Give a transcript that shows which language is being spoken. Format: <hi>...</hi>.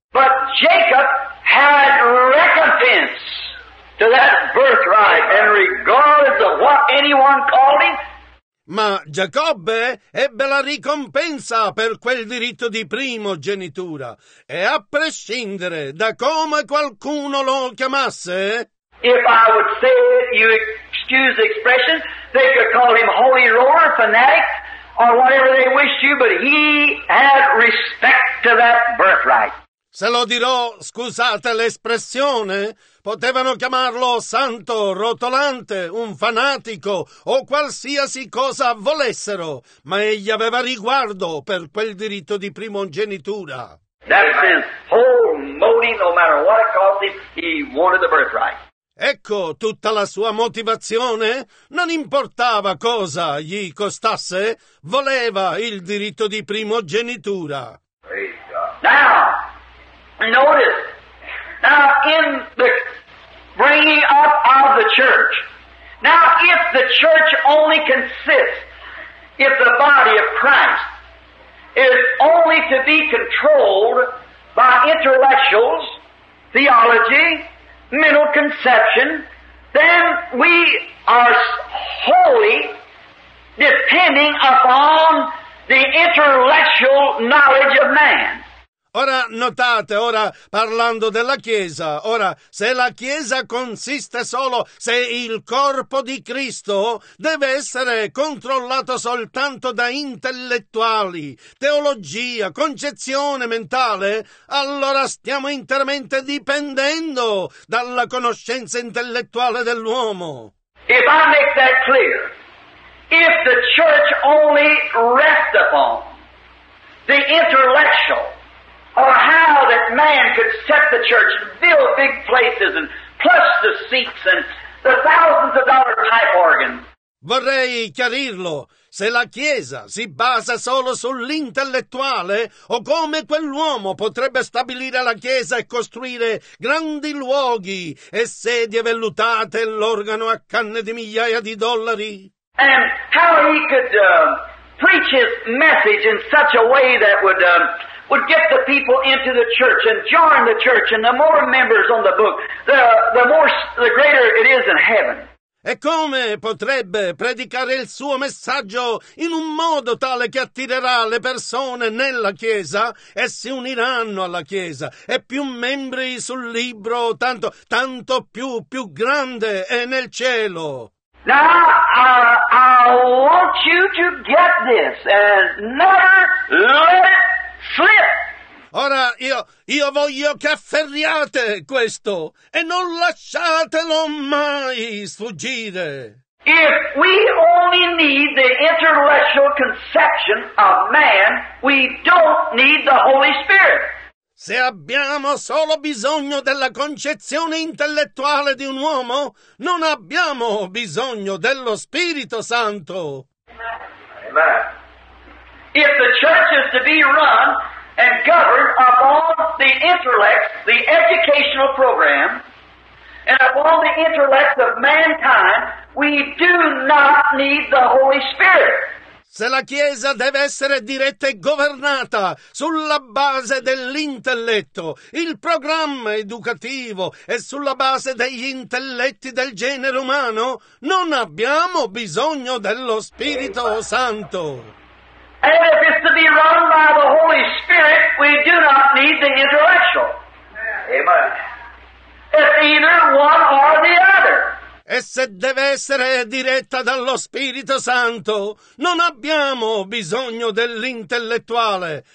<en>But Jacob had recompense to that birthright and regardless of what anyone called him.</en> <it>Ma Giacobbe ebbe la ricompensa per quel diritto di primogenitura, e a prescindere da come qualcuno lo chiamasse.</it> <en>If I would say it, you excuse the expression, they could call him holy roller, fanatic, or whatever they wish you, but he had respect to that birthright.</en> <it>Se lo dirò, scusate l'espressione, potevano chiamarlo santo, rotolante, un fanatico, o qualsiasi cosa volessero, ma egli aveva riguardo per quel diritto di primogenitura.</it> <en>That's his whole motive, no matter what it cost him, he wanted the birthright.</en> <it>Ecco tutta la sua motivazione. Non importava cosa gli costasse, voleva il diritto di primogenitura.</it> <en>Now, notice, now in the bringing up of the church, now if the church only consists, if the body of Christ is only to be controlled by intellectuals, theology, mental conception, then we are wholly depending upon the intellectual knowledge of man.</en> <it>Ora notate, ora parlando della Chiesa, ora se la Chiesa consiste solo, se il corpo di Cristo deve essere controllato soltanto da intellettuali, teologia, concezione mentale, allora stiamo interamente dipendendo dalla conoscenza intellettuale dell'uomo.</it> <en>If I make that clear, if the church only rests upon the intellectual, or how that man could set the church and build big places and plus the seats and the thousands of dollar type organ.</en> <it>Vorrei chiarirlo. Se la Chiesa si basa solo sull'intellettuale, o come quell'uomo potrebbe stabilire la Chiesa e costruire grandi luoghi e sedie vellutate e l'organo a canne di migliaia di dollari.</it> <en>And how he could preach his message in such a way that would get the people into the church and join the church, and the more members on the book, the greater it is in heaven.</en> <it>E come potrebbe predicare il suo messaggio in un modo tale che attirerà le persone nella chiesa e si uniranno alla chiesa, e più membri sul libro, tanto più grande è nel cielo.</it> <en>Now, I want you to get this and never let it slip.</en> <it>Ora io voglio che afferriate questo e non lasciatelo mai sfuggire.</it> <en>If we only need the intellectual conception of man, we don't need the Holy Spirit.</en> <it>Se abbiamo solo bisogno della concezione intellettuale di un uomo, non abbiamo bisogno dello Spirito Santo.</it> <en>Amen. If the church is to be run and governed upon the intellect, the educational program, and upon the intellect of mankind, we do not need the Holy Spirit.</en> <it>Se la Chiesa deve essere diretta e governata sulla base dell'intelletto, il programma educativo e sulla base degli intelletti del genere umano, non abbiamo bisogno dello Spirito Santo.</it> <en>And if it's to be run by the Holy Spirit, we do not need the intellectual. Amen. It's either one or the other.</en> <it>E se deve essere diretta dallo Spirito Santo, non abbiamo bisogno dell'intellettuale.</it>